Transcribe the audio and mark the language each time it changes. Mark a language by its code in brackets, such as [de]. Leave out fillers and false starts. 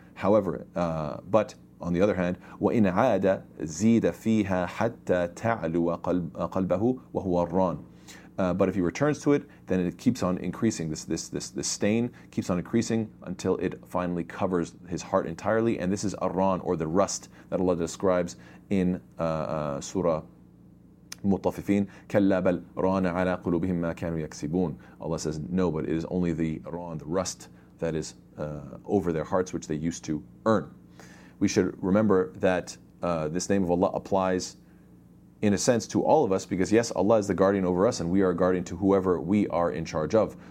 [en] However, but on the other hand, [ar] وَإِنْ عَادَ زِيدَ فِيهَا حَتَّى تَعْلُوَ قَلْبَهُ وَهُوَ الرَّانُ. [en] But if he returns to it, then it keeps on increasing. This stain keeps on increasing until it finally covers his heart entirely. And this is arran, or the rust that Allah describes in Surah Mutaffifin. [ar] كلا بل ران على قلوبهم ما كانوا يكسبون. [en] Allah says no, but it is only the arran, the rust that is over their hearts, which they used to earn. We should remember that this name of Allah applies, in a sense, to all of us, because yes, Allah is the guardian over us, and we are a guardian to whoever we are in charge of.